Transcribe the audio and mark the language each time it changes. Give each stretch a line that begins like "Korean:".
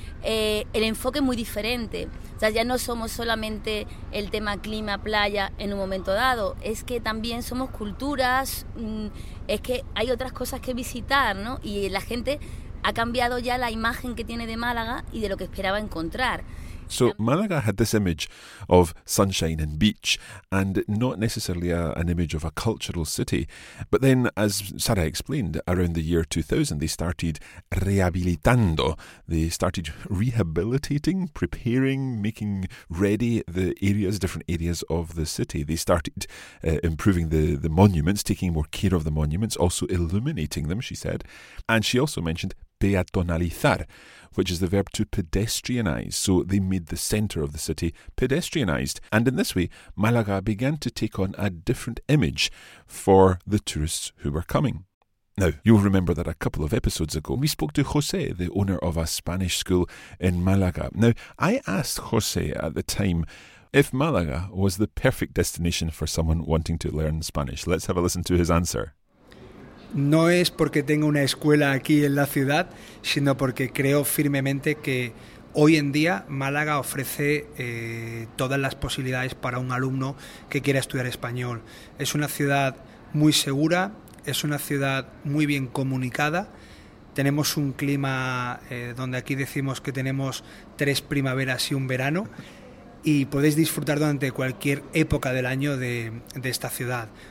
Spanish: El enfoque es muy diferente. O sea, ya no somos solamente el tema clima, playa en un momento dado, es que también somos culturas, es que hay otras cosas que visitar, ¿no? Y la gente ha cambiado ya la imagen que tiene de Málaga y de lo que esperaba encontrar.
English: So Málaga had this image of sunshine and beach and not necessarily an image of a cultural city. But then, as Sara explained, around the year 2000, they started rehabilitando. They started rehabilitating, preparing, making ready the areas, different areas of the city. They started improving the monuments, taking more care of the monuments, also illuminating them, she said. And she also mentioned peatonalizar, which is the verb to pedestrianise. So they made the centre of the city pedestrianised. And in this way, Málaga began to take on a different image for the tourists who were coming. Now, you'll remember that a couple of episodes ago, we spoke to José, the owner of a Spanish school in Málaga. Now, I asked José at the time if Málaga was the perfect destination for someone wanting to learn Spanish. Let's have a listen to his answer.
Spanish: No es porque tenga una escuela aquí en la ciudad, sino porque creo firmemente que hoy en día Málaga ofrece todas las posibilidades para un alumno que quiera estudiar español. Es una ciudad muy segura, es una ciudad muy bien comunicada, tenemos un clima donde aquí decimos que tenemos 3 primaveras y 1 verano, y podéis disfrutar durante cualquier época del año de esta ciudad.